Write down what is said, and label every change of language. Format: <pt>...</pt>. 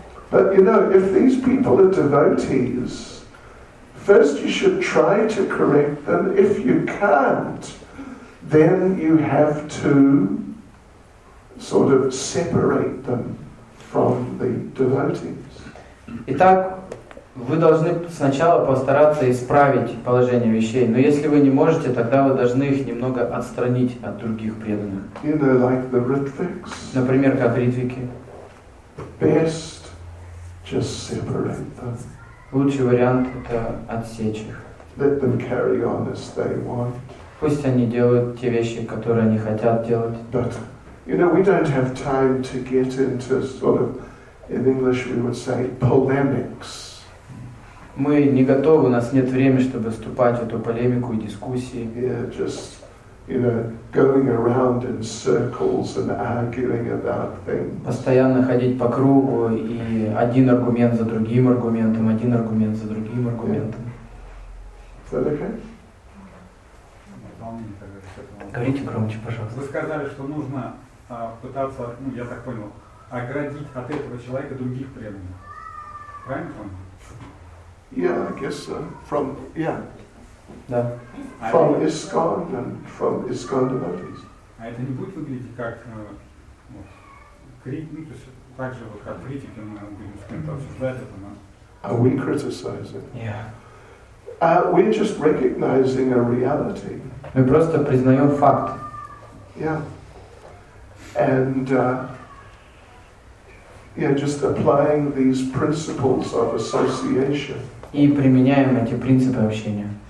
<en>But you know, if these people are devotees, first you should try to correct them. If you can't, then you have to sort of separate them from the devotees.</en> <ru>Итак, вы должны сначала постараться исправить положение вещей, но если вы не можете, тогда вы должны их немного отстранить от других преданных.</ru> <en>You know, like the ритвикс.</en> <ru>Например, как ритвики.</ru> <en>Best just separate them.</en> <ru>Лучший вариант – это отсечь их.</ru> <en>Let them carry on as they want.</en> <ru>Пусть они делают те вещи, которые они хотят делать.</ru> <en>But, you know, we don't have time to get into sort of, in English we would say, polemics.</en> <ru>Мы не готовы, у нас нет времени, чтобы вступать в эту полемику и дискуссии.</ru> <en>Yeah, just, you know, going around in circles and arguing about things.</en> <ru>Постоянно ходить по кругу и один аргумент за другим аргументом, один аргумент за другим аргументом.</ru> <en>Yeah. Is that okay?</en> <ru>Говорите громче, пожалуйста. Вы сказали, что нужно пытаться, ну, я так понял, оградить от этого человека других преданных. Правильно понял?</ru> <en>Yeah, I guess so. From, yeah.</en> <ru>Да.</ru> <en>From ISKCON and from ISKCON devotees.</en> <ru>А это не будет выглядеть как критик, ну, то есть так же, вот, как критики, мы будем с кем-то обсуждать это, но...</ru> <en>Are we criticizing? Yeah. We're just recognizing a reality.</en> <ru>Мы просто признаем факт.</ru> <en>Yeah. And, yeah, just applying these principles of association.</en> <ru>И применяем эти принципы общения.</ru>